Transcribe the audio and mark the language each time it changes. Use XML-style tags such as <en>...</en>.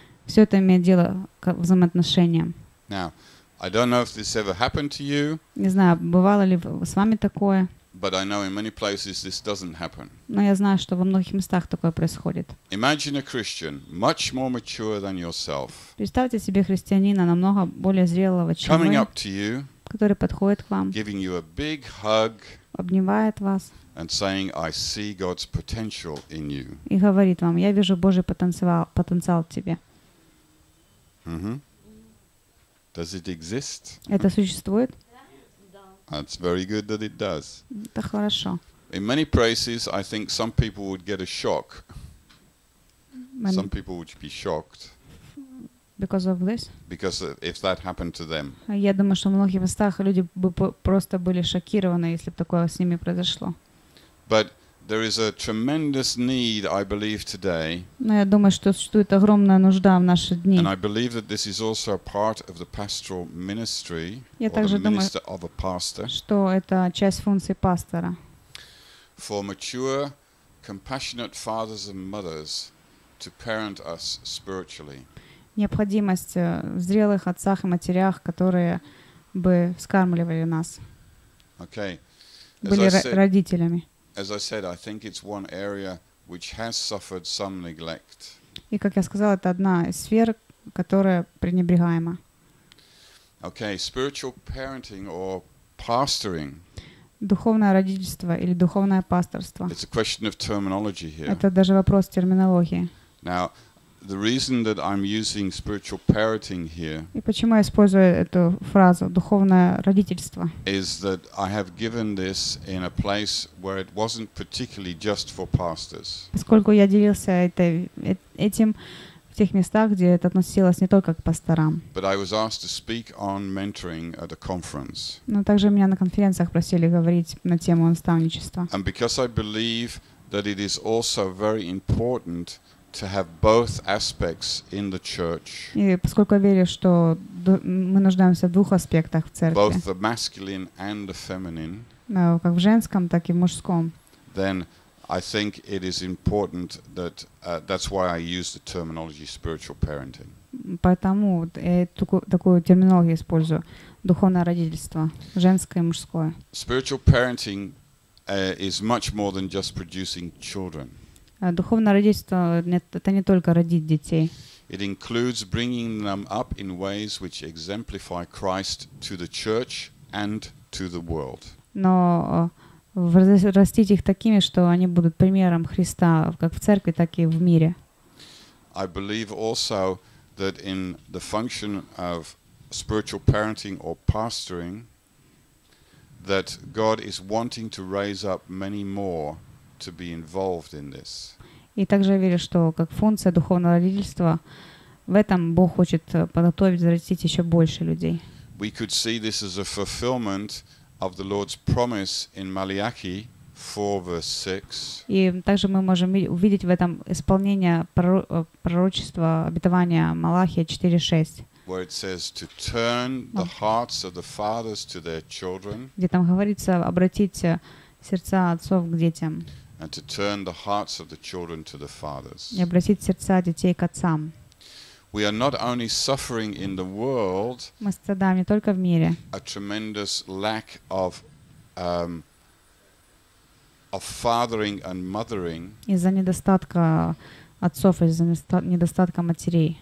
<ru>Все это имеет дело к взаимоотношениям.</ru> <en>Now, I don't know if this ever happened to you.</en> <ru>Не знаю, бывало ли с вами такое.</ru> <en>But I know in many places this doesn't happen.</en> <ru>Но я знаю, что во многих местах такое происходит.</ru> <en>Imagine a Christian, much more mature than yourself.</en> <ru>Представьте себе христианина намного более зрелого, чем вы.</ru> <en>Coming up to you.</en> <ru>Который подходит к вам.</ru> <en>Giving you a big hug.</en> <ru>Обнимает вас.</ru> <en>And saying, I see God's potential in you.</en> <ru>И говорит вам, я вижу Божий потенциал в тебе.</ru> <en>Mm-hmm. Does it exist?</en> <ru>Это существует?</ru> <en>That's very good that it does.</en> <ru>Это хорошо.</ru> <en>In many places, I think some people would get a shock. Some people would be shocked. Because of this? Because if that happened to them.</en> <ru>Я думаю, что в многих местах люди бы просто были шокированы, если бы такое с ними произошло.</ru> <en>But There is a tremendous need, I believe, today.</en> <ru>Но я думаю, что существует огромная нужда в наши дни.</ru> <en>And I believe that this is also a part of the pastoral ministry.</en> <ru>Я также думаю,</ru> <en>of a pastor,</en> <ru>что это часть функции пастора.</ru> <en>For mature, compassionate fathers and mothers to parent us spiritually.</en> <ru>Необходимость в зрелых отцах и матерях, которые бы вскармливали нас.</ru> <en>Okay.</en> <ru>Были родителями.</ru> <en>As I said, I think it's one area which has suffered some neglect.</en> <ru>И как я сказала, это одна из сфер, которая пренебрегаема.</ru> <en>Okay, spiritual parenting or pastoring.</en> <ru>Духовное родительство или духовное пасторство.</ru> <en>It's a question of terminology here.</en> <ru>Это даже вопрос терминологии.</ru> <en>Now, the reason that I'm using spiritual parenting here.</en> <ru>И почему я использую эту фразу духовное родительство?</ru> <en>Is that I have given this in a place where it wasn't particularly just for pastors.</en> <ru>Поскольку я делился этим в тех местах, где это относилось не только к пасторам.</ru> <en>But I was asked to speak on mentoring at a conference.</en> <ru>Но также меня на конференциях просили говорить на тему наставничества.</ru> <en>And because I believe that it is also very important to have both aspects in the church.</en> <ru>И поскольку я верю, что мы нуждаемся в двух аспектах в церкви.</ru> <en>Both the masculine and the feminine.</en> <ru>Но как в женском, так и в мужском.</ru> <en>Then I think it is important that that's why I use the terminology spiritual parenting.</en> <ru>Поэтому такую терминологию использую духовное родительство, женское и мужское.</ru> <en>Spiritual parenting is much more than just producing children.</en> <ru>Духовное родительство — это не только родить детей.</ru> <en>It includes bringing them up in ways which exemplify Christ to the church and to the world.</en> <ru>Но растить их такими, что они будут примером Христа как в церкви, так и в мире.</ru> <en>I believe also that in the function of spiritual parenting or pastoring, that God is wanting to raise up many more to be involved in this.</en> <ru>И также я верю, что как функция духовного родительства в этом Бог хочет подготовить, зарастить еще больше людей.</ru> <en>We could see this as a fulfillment of the Lord's promise in Malachi 4 verse 6.</en> <ru>И также мы можем увидеть в этом исполнение пророчества обетования Малахия 4:6.</ru> <en>Where it says to turn the hearts of the fathers to their children.</en> <ru>Где там говорится обратить сердца отцов к детям.</ru> <en>And to turn the hearts of the children to the fathers.</en> <ru>И обратить сердца детей к отцам.</ru> <en>We are not only suffering in the world.</en> <ru>Мы страдаем не только в мире.</ru> <en>A tremendous lack of fathering and mothering.</en> <ru>Из-за недостатка отцов, из-за недостатка матерей.</ru>